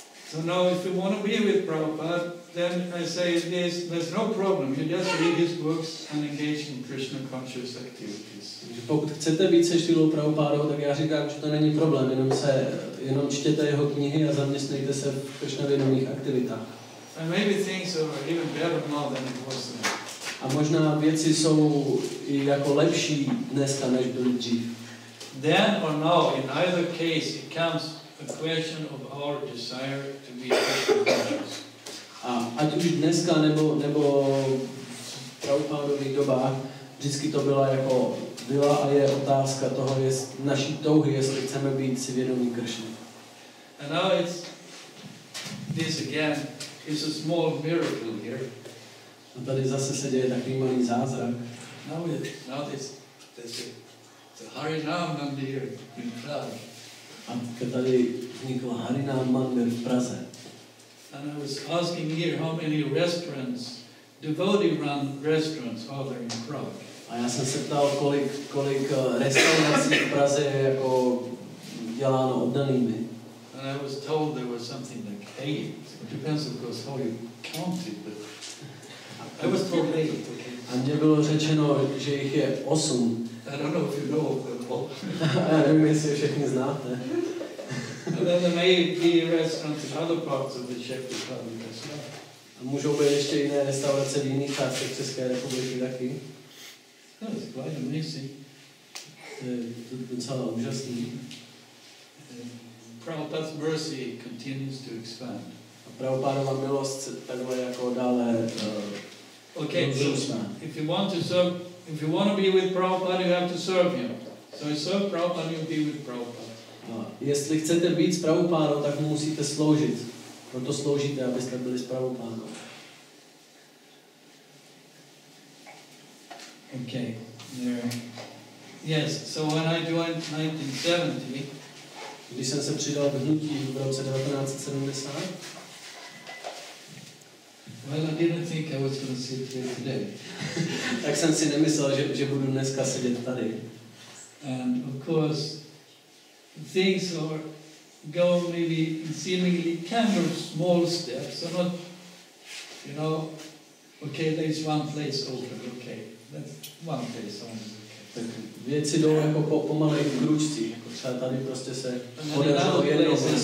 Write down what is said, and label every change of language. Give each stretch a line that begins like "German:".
English: So now if you want to be with Prabhupada, then I say this, there's no problem. You just read his books and engage in Krishna conscious activities.
Czech: Pokud chcete být se Šrilou Prabhupádou, tak já říkám, že to není problém. Jenom čtěte jeho knihy a zaměstnejte se v Krishna vědomých aktivitách.
English: And maybe things are even better now than it was then.
Czech: A možná věci jsou i jako lepší dneska, než byly dřív.
English: Then or now, in either case, it comes a question of our desire to be Krishna conscious.
Czech: A ať už dneska nebo v Prabhupádových dobách, vždycky to byla a je otázka toho, naší touhy, jestli chceme být si vědomí Krishna.
English: And now it's this again is a small miracle here.
Czech: A tady zase se děje takový malý zázrak.
English: Now it's the Harinam Mandir in Prague.
Czech: A tady vznikl Harinam Mandir v Praze.
English: And I was asking here how many restaurants, devotee-run restaurants, are there in Prague.
Czech: A já jsem se ptal, kolik restaurací v Praze je jako děláno oddanými.
English: And I was told there was something like 8. It depends, of course, how you count it, but I was told 8.
Czech: A mně bylo řečeno, že jich je 8.
English: I don't know if you know.
Czech: Já nevím, jestli všechny znáte.
English: And then there may be restaurants in other parts of the Czech Republic as well.
Czech: A můžou být ještě jiné restaurace v jiných částech České republiky taky?
English: That is quite amazing.
Czech: To je docela úžasný.
English: Prabhupada's mercy continues to expand.
Czech: A Prabhupádova milost se takhle jako dále rozrůstá.
English: If you want to be with Prabhupada, you have to serve him. So I serve Prabhupada, you'll be with Prabhupada.
Czech: Jestli chcete být s Prabhupádou, tak mu musíte sloužit. Proto sloužíte, abyste byli s Prabhupádou.
English: Okay. Yes, so when I joined 1970,
Czech: když jsem se přidal v hnutí v roce 1970,
English: well, I didn't think I was going to sit here today.
Czech: Tak jsem si nemyslel, že budu dneska sedět tady.
English: And of course, things are go maybe in seemingly kind of small steps, so not, you know, okay, there is one place open, okay, that's one place open.
Czech: Tak věci jdou jako pomalej v kručci, jako třeba tady prostě se podařilo jedno.